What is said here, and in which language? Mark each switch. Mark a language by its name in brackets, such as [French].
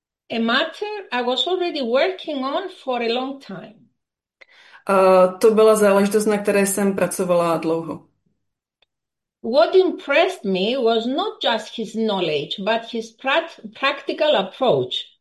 [English] A matter I was already working on for a long time. [Czech] To byla záležitost, na které jsem pracovala dlouho. [English] What impressed me was not just his knowledge, but his practical approach.